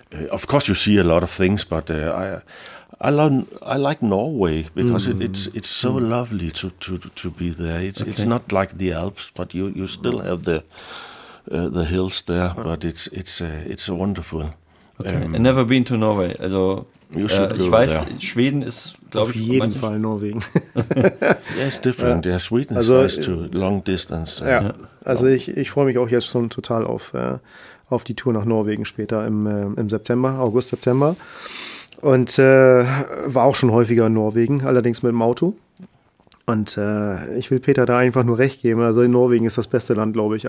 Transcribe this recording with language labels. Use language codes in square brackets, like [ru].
[en] Of course you see a lot of things, but I like Norway because it's so lovely to be there. It's not like the Alps, but you still have the hills there, but it's wonderful. Okay. I've never been to Norway. [de] Also ich weiß, Schweden ist, glaube ich, auf jeden Fall Norwegen. [en] Yeah, it's different. Yeah, Sweden is nice to long distance. [de] Ja. Ja. Also ich freue mich auch jetzt schon total auf die Tour nach Norwegen später im September, August, September. Und war auch schon häufiger in Norwegen, allerdings mit dem Auto. Und ich will Peter da einfach nur recht geben. Also in Norwegen ist das beste Land, glaube ich.